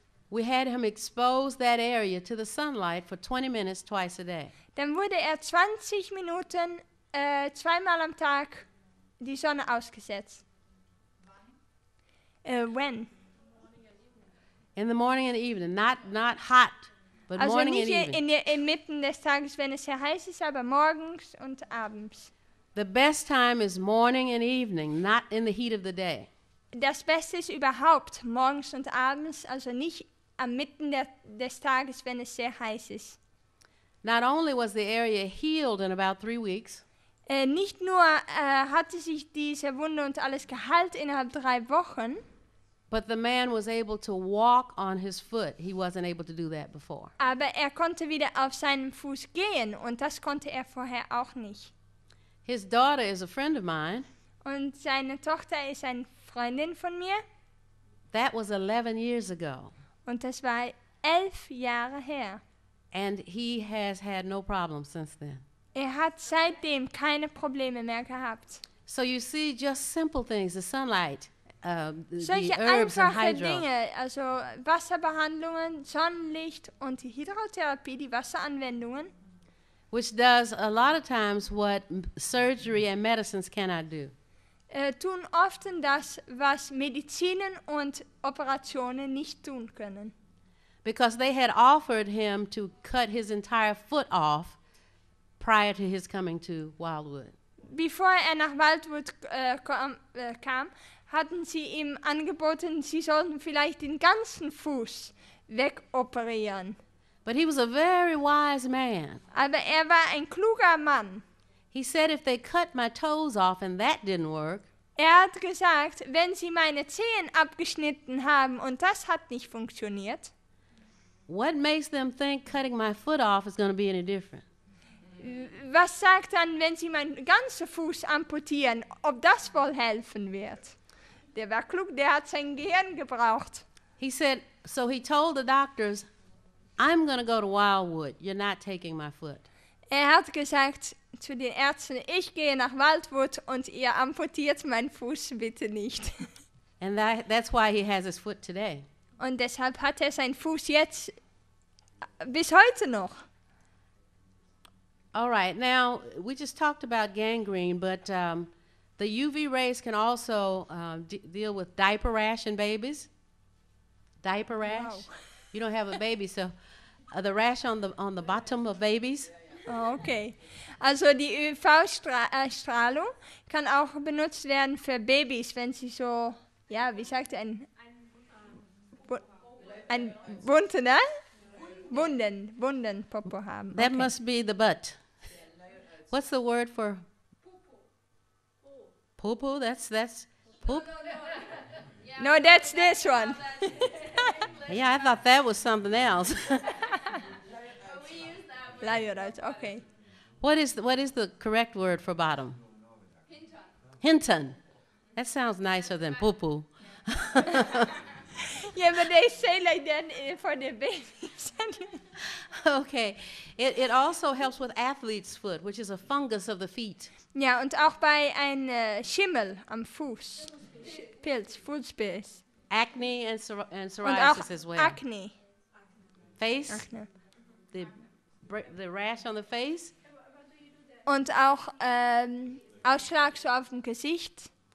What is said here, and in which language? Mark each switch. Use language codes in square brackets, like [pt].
[en] we had him expose that area to the sunlight for 20 minutes twice a day. [de] Dann wurde 20 Minuten zweimal am Tag die Sonne ausgesetzt. [en] When? In the morning and evening, not hot, but also morning and evening. [de] Also nicht inmitten des Tages, wenn es sehr heiß ist, aber morgens und abends. [en] The best time is morning and evening, not in the heat of the day. [de] Das Beste ist überhaupt morgens und abends, also nicht am Mitten des Tages, wenn es sehr heiß ist. [en] Not only was the area healed in about 3 weeks. [de] Nicht nur hatte sich diese Wunde und alles geheilt innerhalb 3 Wochen. [en] But the man was able to walk on his foot. He wasn't able to do that before. [de] Aber er konnte wieder auf seinem Fuß gehen und das konnte er vorher auch nicht. [en] His daughter is a friend of mine. [de] Und seine Tochter ist ein Freundin von mir. [en] That was 11 years ago. [de] Und das war 11 Jahre her. [en] And he has had no problems since then. [de] Er hat seitdem keine Probleme mehr gehabt. [en] So you see just simple things, the sunlight, [de] solche [en] the herbs [de] einfache [en] and hydro. [de] Dinge, also Wasserbehandlungen, Sonnenlicht und die Hydrotherapie, die Wasseranwendungen. [en] Which does a lot of times what surgery and medicines cannot do. [de] Tun oft das, was Medizinen und Operationen nicht tun können. [en] Because they had offered him to cut his entire foot off prior to his coming to Wildwood. [de] Bevor er nach Wildwood kam, hatten sie ihm angeboten, sie sollten vielleicht den ganzen Fuß wegoperieren. [en] But he was a very wise man. [de] Aber er war ein kluger Mann. [en] He said, if they cut my toes off and that didn't work, [de] er hat gesagt, wenn sie meine Zehen abgeschnitten haben und das hat nicht funktioniert, [en] what makes them think cutting my foot off is going to be any different? [de] Was sagt dann, wenn sie meinen ganzen Fuß amputieren, ob das wohl helfen wird? Der war klug, der hat sein Gehirn gebraucht. [en] He said, so he told the doctors, I'm going to go to Wildwood, you're not taking my foot. [de] Er hat gesagt zu den Ärzten, ich gehe nach Wildwood und ihr amputiert meinen Fuß bitte nicht. [en] And that's why he has his foot today. [de] Und deshalb hat er seinen Fuß jetzt bis heute noch. [en] All right, now we just talked about gangrene, but the UV rays can also deal with diaper rash in babies. Diaper rash? No. You don't have a baby, so the rash on the bottom of babies. Oh, okay. [de] Also die UV-Strahlung kann auch benutzt werden für Babys, wenn sie so, ja, wie sagt ihr, ein Wunden, ne? Wunden, Popo haben. [en] Okay. That must be the butt. What's the word for? [de] Popo. [en] Popo, that's poop? No, that's this one. Yeah, I thought that was something else. Okay. What is the correct word for bottom? [de] Hinton. [en] That sounds nicer than poo-poo. Yeah, but they say like that for the babies. Okay. It also helps with athlete's foot, which is a fungus of the feet. [de] Ja, und auch bei einem Schimmel am Fuß. Pilz, Fußpilz. [en] acne and psoriasis as well. Acne. Face. Acne. The rash on the face. [de] Und auch Ausschlag so auf dem Gesicht.